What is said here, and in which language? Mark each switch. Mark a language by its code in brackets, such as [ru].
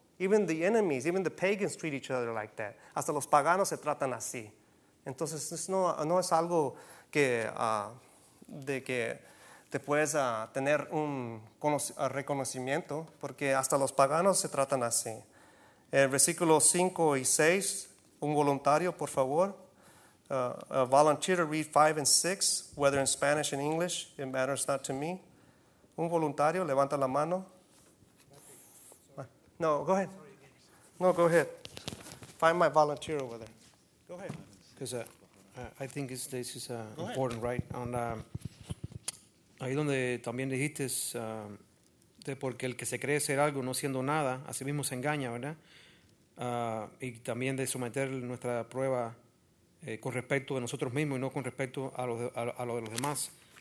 [en] Even the enemies, even the pagans treat each other like that. [es] Hasta los paganos se tratan así. Entonces, no es algo que, de que te puedes tener un reconocimiento, porque hasta los paganos se tratan así. El versículo 5 y 6, un voluntario, por favor. [en] A volunteer to read 5 and 6, whether in Spanish and English, it matters not to me. [es] Un voluntario, levanta la mano. [en] No, go ahead. No, go ahead. Find my volunteer over there. Go ahead. Because I think this is important, right? [es] And ahí donde también dijiste es de porque el que se cree ser algo no siendo nada, a sí mismo se engaña, ¿verdad? Y también de someter nuestra prueba con respecto de nosotros mismos y no con respecto a lo de los demás.